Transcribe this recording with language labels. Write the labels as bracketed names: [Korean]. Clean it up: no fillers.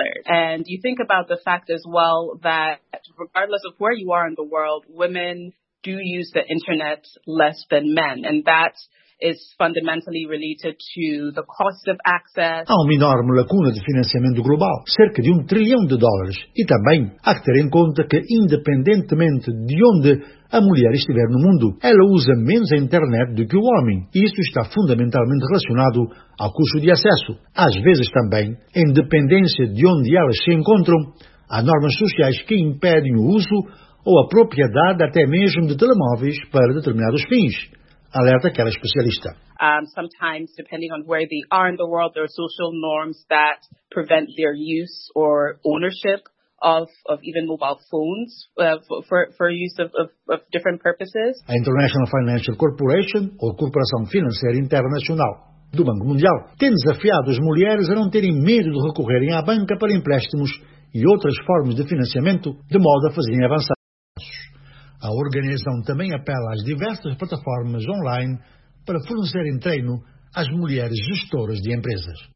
[English] And you think about the fact as well that regardless of where you are in the world, women do use the internet less than men, and that is fundamentally related to the cost of access. [Portuguese] Há uma enorme lacuna de financiamento global, cerca de $1 trillion, e também há que ter em conta que, independentemente de onde a mulher estiver no mundo, ela usa menos a internet do que o homem. E isso está fundamentalmente relacionado ao custo de acesso. Às vezes também, em dependência de onde elas se encontram, há normas sociais que impedem o uso ou a propriedade até mesmo de telemóveis para determinados fins. alerta aquela especialista. [English] Sometimes, depending on where they are in the world, there are social norms that prevent their use or ownership of even mobile phones for use of different purposes. [Portuguese] A International Financial Corporation, ou Corporação Financeira Internacional do Banco Mundial, tem desafiado as mulheres a não terem medo de recorrerem à banca para empréstimos e outras formas de financiamento, de modo a fazerem avançar. A organização também apela às diversas plataformas online para fornecerem treino às mulheres gestoras de empresas.